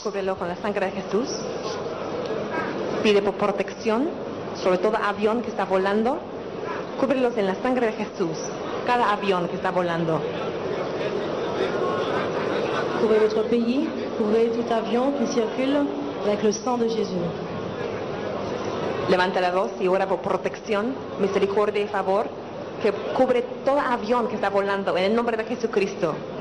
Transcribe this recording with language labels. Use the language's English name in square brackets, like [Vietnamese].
[Spanish] Cúbrelo con la sangre de Jesús. Pide por protección. sobre todo avión que está volando. Cúbrelos en la sangre de Jesús, cada avión que está volando. [French] Couvrez votre pays, couvrez tout avion qui circule avec le sang de Jésus. [Spanish] Levanta la voz y ora por protección, misericordia y favor, que cubre todo avión que está volando en el nombre de Jesucristo.